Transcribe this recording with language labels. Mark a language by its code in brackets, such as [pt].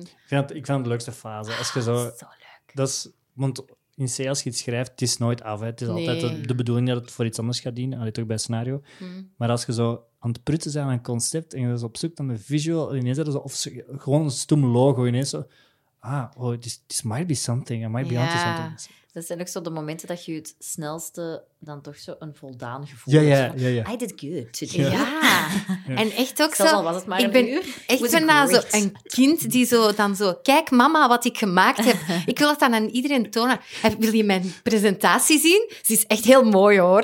[nl] Ik vind het de leukste fase. Als je zo... Dat is zo leuk. Dat is, want in C, als je iets schrijft, het is nooit af. Hè. Het is altijd de bedoeling dat het voor iets anders gaat dienen. Allee, toch bij het scenario. Maar als je zo aan het prutsen bent aan een concept en je is op zoek naar een visual, ineens dat zo, of zo, gewoon een stoem logo, ineens zo... [en] Ah, oh, this might be something. It might be onto something. [nl] Dat zijn ook zo de momenten dat je het snelste dan toch zo een voldaan gevoel hebt. Ja. [en] I did good today. [nl] Ja. En echt ook zo... Zelfs al was het maar ik een uur. Echt ben daar zo een kind die zo dan zo... Kijk, mama, wat ik gemaakt heb. Ik wil dat dan aan iedereen tonen. Wil je mijn presentatie zien? Ze is echt heel mooi, hoor.